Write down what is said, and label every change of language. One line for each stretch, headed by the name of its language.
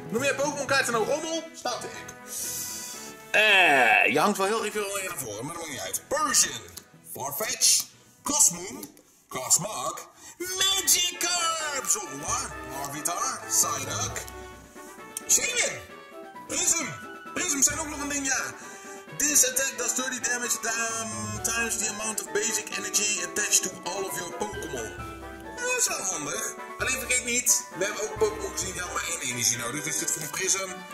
Dutch: Noem jij Pokémon kaarten nou rommel? Snapte ik. Je hangt wel heel veel meer naar voren, maar dat maakt niet uit. Persian, Farfetch, Cosmoon, Cosmog, Magikarp! Zolmar, Larvitar, Psyduck, Shaman, Prism! Prism zijn ook nog een ding, ja!
English: This attack does 30 damage times the amount of basic energy attached to all of your Pokémon.
Dutch: Dat is wel handig. Alleen vergeet niet, we hebben ook Pokémon gezien die maar één energie nodig. Dus dit voor een Prism.